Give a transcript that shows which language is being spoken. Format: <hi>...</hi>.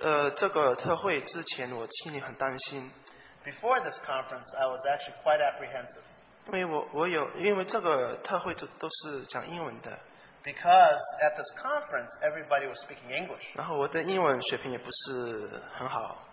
<zh>其实，我来到就是去这个特会之前，我心里很担心。</zh> <en>Before this conference, I was actually quite apprehensive.</en> <zh>因为这个特会都是讲英文的。</zh> <en>Because at this conference, everybody was speaking English.</en> <zh>然后我的英文水平也不是很好。</zh>